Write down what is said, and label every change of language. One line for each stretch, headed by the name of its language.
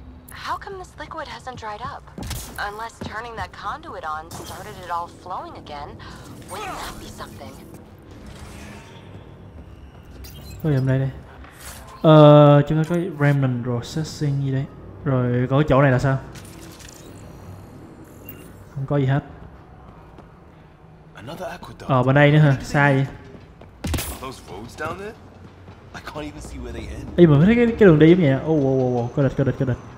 English: How come this liquid hasn't dried up? Unless turning that conduit on started it all flowing again, wouldn't that be something?
Vietnamese: Thôi em đây đi. Chúng ta có remnant processing gì đây? Rồi có chỗ này là sao? Không có gì hết.
English: Another aqueduct.
Vietnamese: Ở bên đây nữa hả? Sai.
English: Are those roads down there? I can't even see where they end.
Vietnamese: Ê mà thấy cái đường đi giống vậy. Ô ô ô ô, có địch, có địch, có địch.